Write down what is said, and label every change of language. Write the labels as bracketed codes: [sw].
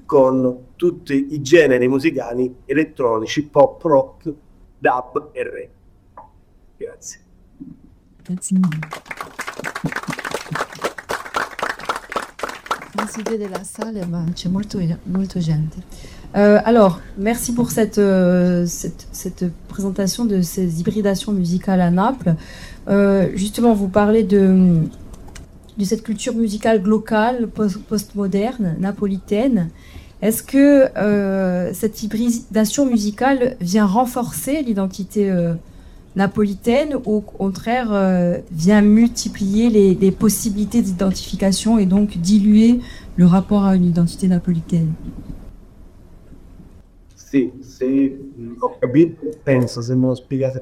[it] con tutti i generi musicali elettronici, pop, rock, dub e reggae. Grazie. Si vede [fr] la salle, [it] ma c'è molto, molto gente. [fr] Merci pour cette présentation de ces hybridations musicales à Naples. Justement, vous parlez de cette culture musicale locale, post-moderne, napolitaine. Est-ce que cette hybridation musicale vient renforcer l'identité napolitaine ou au contraire vient multiplier les possibilités d'identification et donc diluer le rapport à une identité napolitaine? [it] Sì, se ho capito, penso, se me lo spiegate